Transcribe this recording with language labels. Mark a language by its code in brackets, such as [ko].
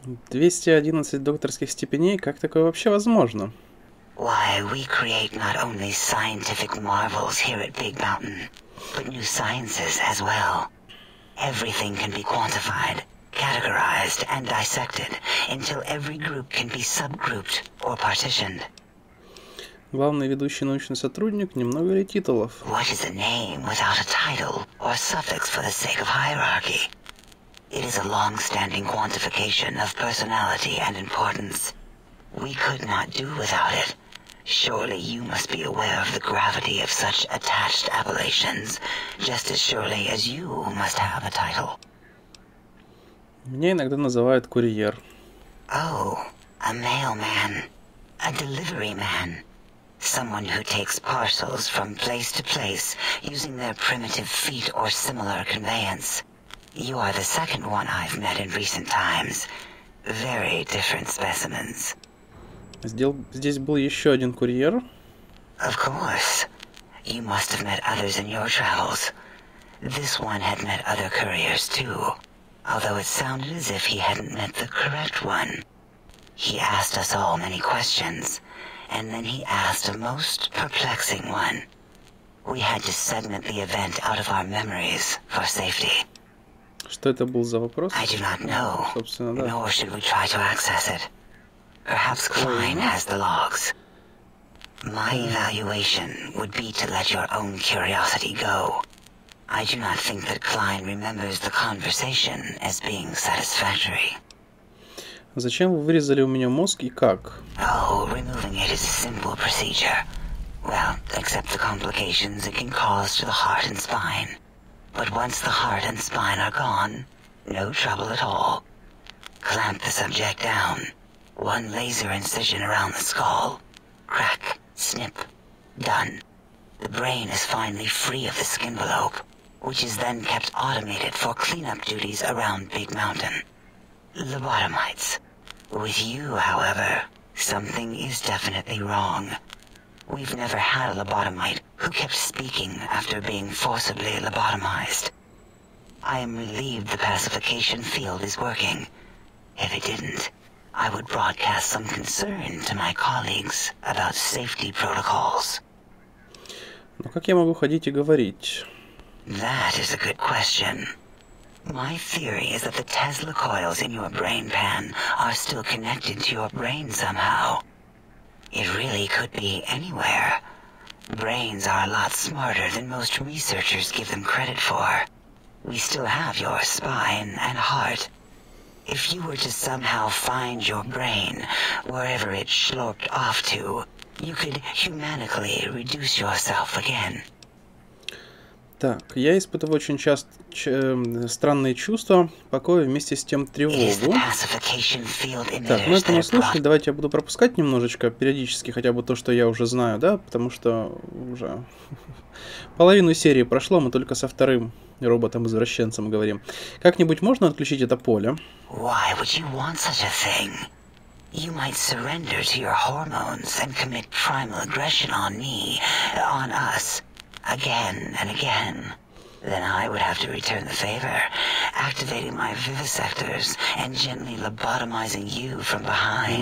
[ru] 211 докторских степеней, как такое вообще возможно? [en] Why we create not only scientific marvels here at Big Mountain, but new sciences as well. Everything can be quantified. Categorized and dissected until every group can be subgrouped or partitioned. [ru] Главный ведущий научный сотрудник, немного ли титулов? [en] What is a name without a title or suffix for the sake of hierarchy? It is a long-standing quantification of personality and importance. We could not do without it. Surely you must be aware of the gravity of such attached appellations, just as surely as you must have a title. [ru] Меня иногда называют курьер. [en] Oh, a mailman. A delivery man. Someone who takes parcels from place to place using their primitive feet or similar conveyance. You are the second one I've met in recent times. Very different specimens. [ru] Здесь был еще один курьер. [en] Of course. You must have met others in your travels. This one had met other couriers too. Although it sounded as if he hadn't met the correct one. He asked us all many questions, and then he asked a most perplexing one. We had to segment the event out of our memories for safety. [ru] Что это был за вопрос? [en] I do not know, [ru] собственно, да. [en] Nor should we try to access it. Perhaps Klein has the logs. My evaluation would be to let your own curiosity go. I do not think that Klein remembers the conversation as being satisfactory. [ru] Зачем вы вырезали у меня мозг и как? [en] Oh, removing it is a simple procedure. Well, except the complications it can cause to the heart and spine. But once the heart and spine are gone, no trouble at all. Clamp the subject down. One laser incision around the skull. Crack, snip, done. The brain is finally free of the skin envelope. Which is then kept automated for cleanup duties around Big Mountain. Lobotomites. With you, however, something is definitely wrong. We've never had a lobotomite who kept speaking after being forcibly lobotomized. I am relieved the pacification field is working. If it didn't, I would broadcast some concern to my colleagues about safety protocols. [ru] Ну как я могу ходить и говорить? [en] That is a good question. My theory is that the Tesla coils in your brain pan are still connected to your brain somehow. It really could be anywhere. Brains are a lot smarter than most researchers give them credit for. We still have your spine and heart. If you were to somehow find your brain, wherever it slurped off to, you could humanically reduce yourself again. [ru] Так, я испытываю очень часто странные чувства, покоя, вместе с тем тревогу. Так, мы это не слушали, давайте я буду пропускать немножечко, периодически, хотя бы то, что я уже знаю, да, потому что уже половину серии прошло, мы только со вторым роботом-извращенцем говорим. Как-нибудь можно отключить это поле? [en] Why would you want such a thing? You might surrender to your hormones and commit primal aggression on me, on us. Again and again. Then I would have to return the favor, activating my vivisectors and gently lobotomizing you from behind.